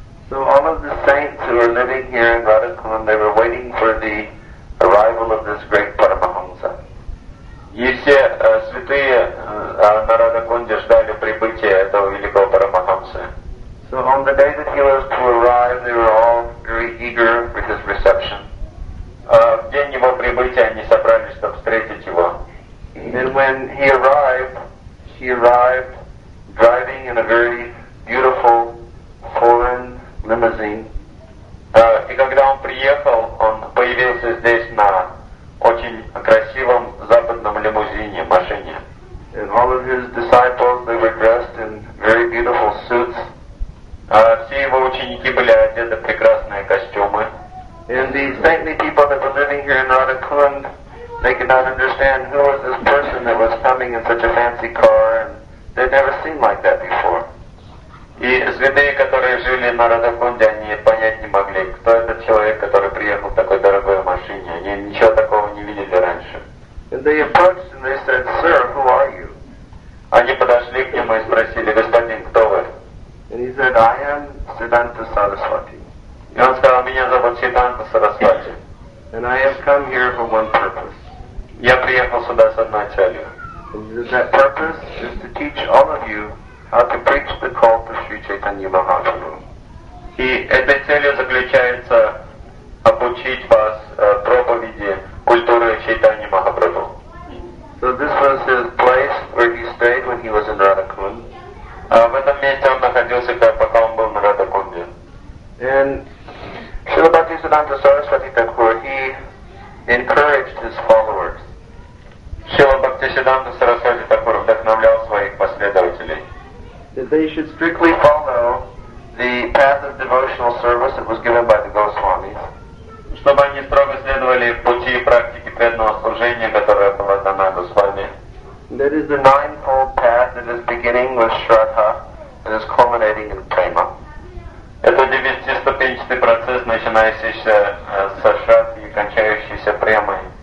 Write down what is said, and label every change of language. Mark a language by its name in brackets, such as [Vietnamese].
[English] So all of the saints who were living here in Radhakund, they were waiting for the arrival of this great Paramahamsa. [Russian] И все святые на Радхакунде ждали прибытия этого великого Парамахамсы. [English] So on the day that he was to arrive, they were all very eager for his reception. [Russian] В день его прибытия они собрались, чтобы встретить его. [English] And when he arrived driving in a very beautiful foreign limousine. [Russian] И когда он приехал, он появился здесь на очень красивом западном лимузине, машине. [English] And all of his disciples, they were dressed in very beautiful suits. [Russian] Все его ученики были одеты в прекрасные костюмы. [English] And the saintly people that were living here in Radhakund, they could not understand who was this person that was coming in such a fancy car, and they'd never seen like that before. [Russian] И святые, которые жили на Радхакунде, они понять не могли, кто этот человек, который приехал в такой дорогой машине. Они ничего такого не видели раньше. [English] And they approached and they said, "Sir, who are you?" [Russian] Они подошли к нему и спросили, господин, кто вы? [English] And he said, "I am Siddhanta Saraswati." [Russian] И он сказал, меня зовут Сиддханта Сарасвати. [English] And I have come here for one purpose. [Russian] Я приехал сюда с одной целью. [English] And that purpose is to teach all of you how to preach the cult of Sri Chaitanya Mahaprabhu. [Russian] И этой целью заключается обучить вас проповеди культуры Чайтаньи Махапрабху. [English] So this was his place where he stayed when he was in Radhakund. [Russian] В этом месте он находился, пока он был на Радхакунде. [English] And Srila Bhaktisiddhanta Saraswati Thakur, he encouraged his followers. [Russian] Srila Bhaktisiddhanta Saraswati Thakur вдохновлял своих последователей. [English] That they should strictly follow the path of devotional service that was given by the Goswamis. [Russian] Чтобы они строго следовали пути и практике преданного служения, которое было дано Госвами. [English] That is the ninefold path that is beginning with Shraddha and is culminating in Prema. [Russian] Это девятиступенчатый процесс, начинающийся со Шрадхи и кончающийся Премой.